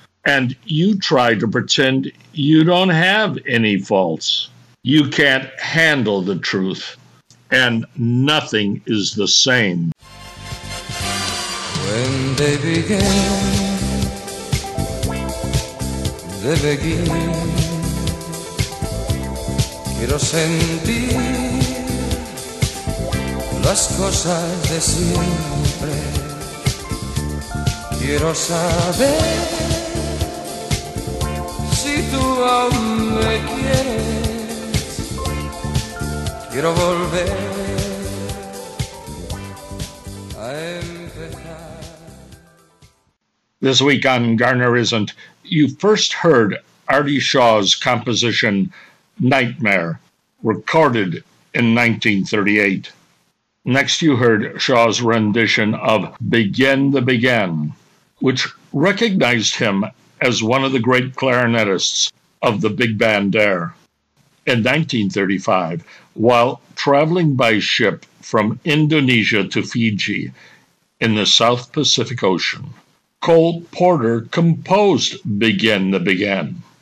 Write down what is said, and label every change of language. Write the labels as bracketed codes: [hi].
[en] And you try to pretend you don't have any faults. You can't handle the truth, and nothing is the same. When they begin, they begin. [es] Quiero sentir las cosas de siempre. Quiero saber si tú aún me quieres. Quiero volver a empezar. [en] This week on Garner Isn't, you first heard Artie Shaw's composition Nightmare, recorded in 1938. Next, you heard Shaw's rendition of Begin the Begin, which recognized him as one of the great clarinetists of the big band there. In 1935, while traveling by ship from Indonesia to Fiji in the South Pacific Ocean, Cole Porter composed Begin the Begin.